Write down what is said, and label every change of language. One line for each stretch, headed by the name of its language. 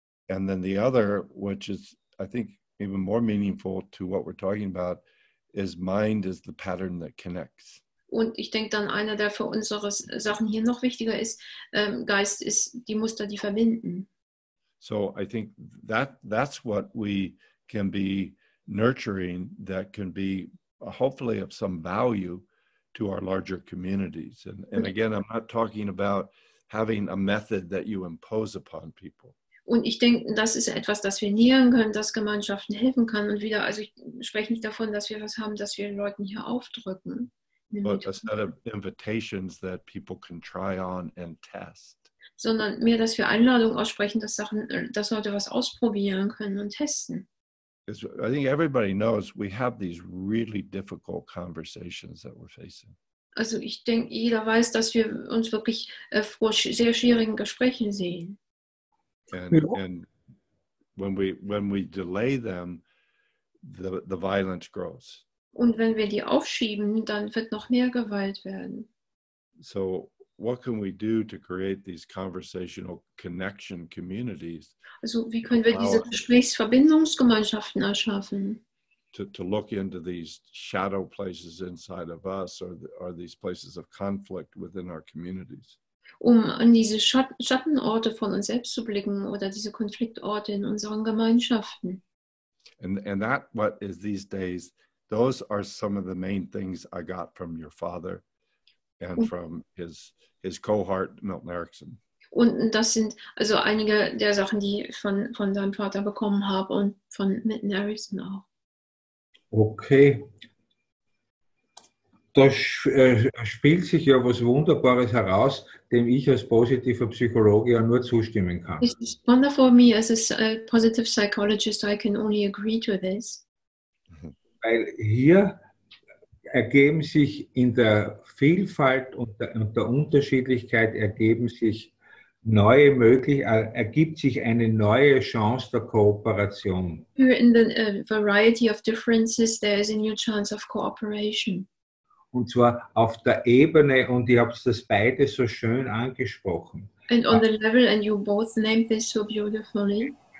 English: And then the other, which is, I think, even more meaningful to what we're talking about, is mind is the pattern that connects.
German: Und ich denke dann, einer, der für unsere Sachen hier noch wichtiger ist, Geist ist die Muster, die verbinden.
English: So I think that's what we can be nurturing, that can be hopefully of some value to our larger communities. And again, I'm not talking about having a method that you impose upon people.
German: Und ich denke, das ist etwas, das wir nähern können, das Gemeinschaften helfen kann. Und wieder, also ich spreche nicht davon, dass wir was haben, das wir Leuten hier aufdrücken.
English: But a set of invitations that people can try on and test.
German: Sondern mehr, dass wir Einladungen aussprechen, dass Sachen, dass Leute was ausprobieren können und testen.
English: I think everybody knows we have these really difficult conversations that we're facing.
German: Also ich denke, jeder weiß, dass wir uns wirklich vor sehr schwierigen Gesprächen sehen.
English: And when we delay them, the violence grows.
German: Und wenn wir die aufschieben, dann wird noch mehr Gewalt werden.
English: So what can we do to create these conversational connection communities?
German: Also wie können wir diese Gesprächsverbindungsgemeinschaften erschaffen?
English: to look into these shadow places inside of us, or are these places of conflict within our communities.
German: Um an diese Schattenorte von uns selbst zu blicken oder diese Konfliktorte in unseren Gemeinschaften.
English: And that what is these days, those are some of the main things I got from your father and from his cohort Milton Erickson.
German: Und das sind also einige der Sachen, die ich von seinem Vater bekommen habe und von Milton Erickson auch.
English: Okay.
German: Da spielt sich ja was Wunderbares heraus, dem ich als positiver Psychologe ja nur zustimmen kann.
English: It's wonderful for me as a positive psychologist, I can only agree to this.
German: Weil hier ergeben sich in der Vielfalt und der Unterschiedlichkeit ergeben sich neue ergibt sich eine neue Chance der Kooperation.
English: In the variety of differences, there is a new chance of cooperation.
German: Und zwar auf der Ebene, und ihr habt das beide so schön angesprochen.
English: And on the level, and you both named this so beautifully.